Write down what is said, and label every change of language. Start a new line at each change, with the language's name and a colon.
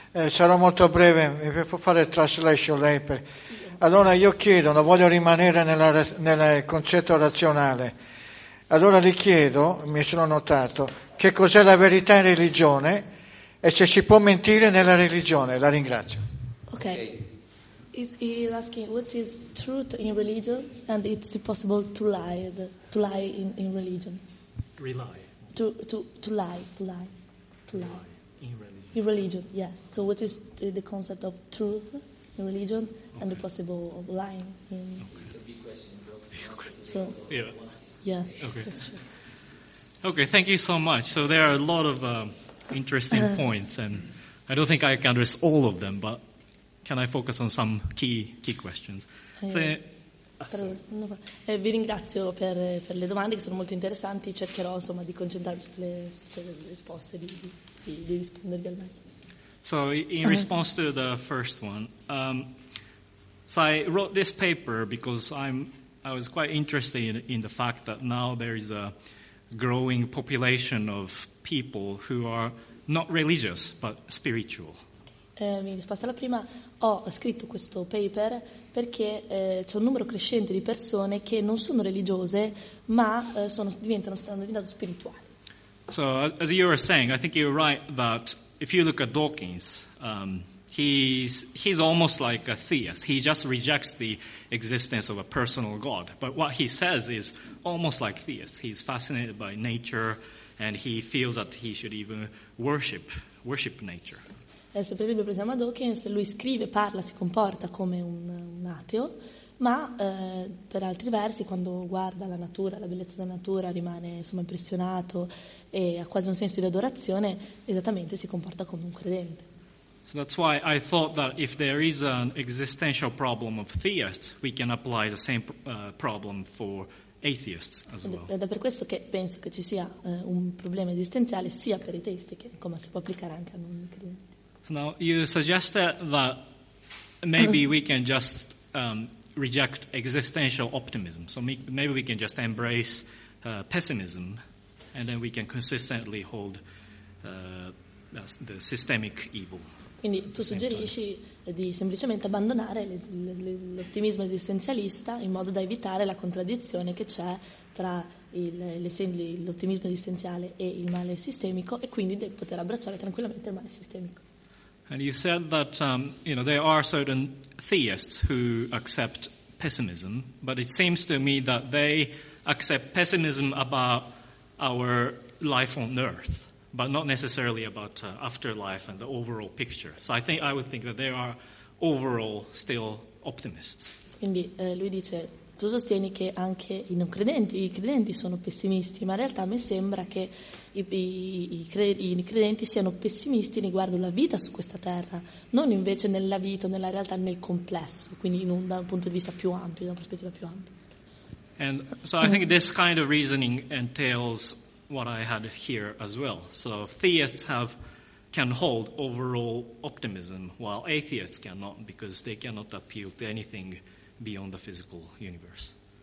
Italian: Sarò molto breve, mi può fare translation lei? Allora io chiedo, non voglio rimanere nel concetto razionale. Allora le chiedo, mi sono notato, che cos'è la verità in religione e se si può mentire nella religione. La ringrazio.
English: Ok. He's asking what is truth in religion and it's possible to lie in religion. Rely. To lie. In religion. In religion, yes. So what is the concept of truth in religion and the possible of lying in... It's a big question. So... Yeah. Yes. Okay. Okay. Thank you so much. So there are a lot of interesting points, and I don't think I can address all of them, but can I focus on some key questions?
Italian: Vi ringrazio per le domande che sono molto interessanti. Cercherò insomma di concentrarmi sulle risposte di rispondervi al meglio.
English: So in response to the first one, so I wrote this paper because I was quite interested in the fact that now there is a growing population of people who are not religious but spiritual.
Italian: In risposta alla prima, ho scritto questo paper perché c'è un numero crescente di persone che non sono religiose ma stanno diventando spirituali.
English: So as you were saying, I think you're right that if you look at Dawkins, he's almost like a theist. He just rejects the existence of a personal God. But what he says is almost like theist. He's fascinated by nature and he feels that he should even worship nature.
Italian: Se per esempio pensiamo a Dawkins, lui scrive, parla, si comporta come un ateo, ma per altri versi, quando guarda la natura, la bellezza della natura, rimane insomma impressionato e ha quasi un senso di adorazione, esattamente si comporta come un credente.
English: So that's why I thought that if there is an existential problem of theists, we can apply the same problem for atheists as well.
Italian: Ed è per questo che penso che ci sia un problema esistenziale sia per i teisti che come si può applicare anche a non credenti.
English: Now, you suggested that maybe we can just reject existential optimism. So maybe we can just embrace pessimism and then we can consistently hold the systemic evil.
Italian: Quindi tu suggerisci di semplicemente abbandonare l'ottimismo esistenzialista in modo da evitare la contraddizione che c'è tra l'ottimismo esistenziale e il male sistemico e quindi di poter abbracciare tranquillamente il male sistemico.
English: And you said that there are certain theists who accept pessimism, but it seems to me that they accept pessimism about our life on Earth, but not necessarily about afterlife and the overall picture. So I would think that they are overall still optimists.
Italian: Quindi lui dice, tu sostieni che anche i non credenti, i credenti sono pessimisti, ma in realtà a me sembra che i credenti siano pessimisti riguardo la vita su questa terra, non invece nella vita, nella realtà, nel complesso, quindi da un punto di vista più ampio, da una prospettiva più ampia.
English: And so I think this kind of reasoning entails what I had here as well. So theists can hold overall optimism, while atheists cannot, because they cannot appeal to anything beyond the physical universe.